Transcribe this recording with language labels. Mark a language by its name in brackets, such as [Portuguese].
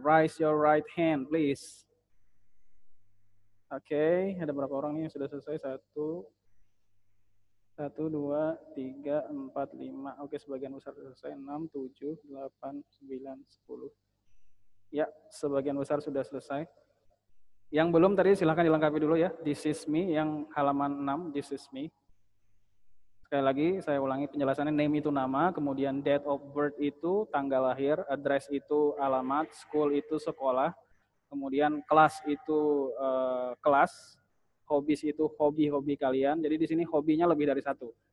[English] Raise your right hand, please. [Indonesian] Okay, ada berapa orang nih yang sudah selesai? Satu, dua, tiga, empat, lima. Okay, sebagian besar sudah selesai. 6, 7, 8, 9, 10. Ya, sebagian besar sudah selesai. Yang belum tadi silakan dilengkapi dulu ya. [English] This is me, [Indonesian] yang halaman 6, [English] this is me. [Indonesian] Sekali lagi, saya ulangi penjelasannya, name itu nama, kemudian date of birth itu tanggal lahir, address itu alamat, school itu sekolah, kemudian kelas itu kelas, hobbies itu hobi-hobi kalian, jadi di sini hobinya lebih dari satu.